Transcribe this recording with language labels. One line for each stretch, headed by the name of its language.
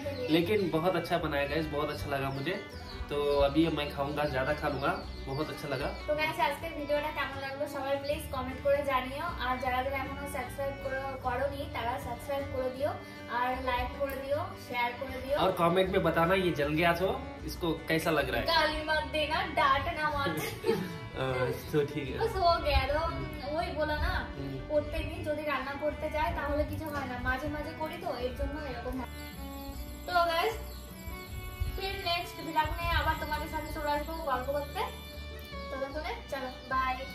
Hindi: लेकिन बहुत अच्छा बनाया गाइस, बहुत अच्छा लगा मुझे। तो अभी मैं खाऊंगा, ज्यादा खा लूंगा, बहुत अच्छा लगा। तो गाइस आज के
Bangla: ভিডিওটা কেমন লাগলো সবাই প্লিজ কমেন্ট করে জানিও, আর যারা যারা এখনো সাবস্ক্রাইব করো নি তারা সাবস্ক্রাইব করে দিও, আর লাইক করে দিও, শেয়ার করে দিও, আর কমেন্ট
Hindi: में बताना ये जल गया तो इसको कैसा लग रहा है। गाली मत देना, डांटना मत।
Bangla: तो ঠিক আছে, বস হয়ে গেল। ওই বলা না প্রত্যেকদিন যদি রান্না করতে যায় তাহলে কিছু হয় না, মাঝে মাঝে করি তো এর জন্য এরকম। তো গাইস
Hindi: फिर नेक्स्ट ब्लॉग में आवाज तुम्हारे साथ चला आऊंगा गल्प करते। तो चलो बाय